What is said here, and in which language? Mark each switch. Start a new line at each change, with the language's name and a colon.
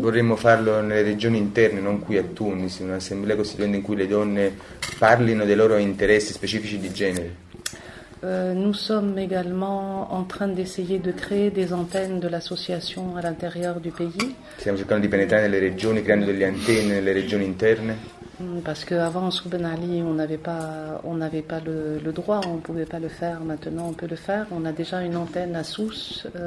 Italian: Vorremmo farlo nelle regioni interne, non qui a Tunis, un'assemblea costituente in cui le donne parlino dei loro interessi specifici di genere.
French: Nous sommes également en train d'essayer de créer des antennes de l'association à l'intérieur du pays.
Italian: Stiamo cercando di penetrare nelle regioni, creando delle antenne nelle regioni interne.
French: Parce qu'avant, sous Ben Ali, on n'avait pas le droit, on ne pouvait pas le faire. Maintenant, on peut le faire. On a déjà une antenne à Sousse.